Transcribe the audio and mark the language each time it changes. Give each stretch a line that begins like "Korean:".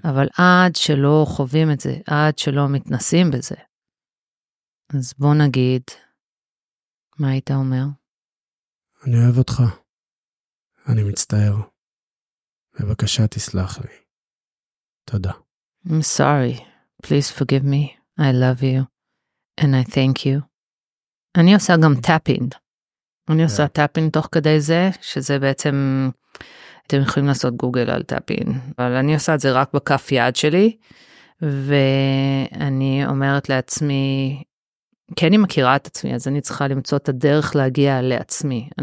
Hebrew: אבל עד שלא חווים את זה, עד שלא מתנסים בזה, אז בואו נגיד, מה היית אומר? אני אוהב אותך, אני מצטער, בבקשה תסלח לי, תודה.
English: I'm sorry, please forgive me, I love you, and I thank you.
Hebrew: אני עושה גם טאפינד. אני עושה טאפינד תוך כדי זה, שזה בעצם אתם יכולים לעשות גוגל על טאפין, אבל אני עושה את זה רק בכף יד שלי, ואני אומרת לעצמי, כן אני מכירה את עצמי, אז אני צריכה למצוא את הדרך להגיע לעצמי.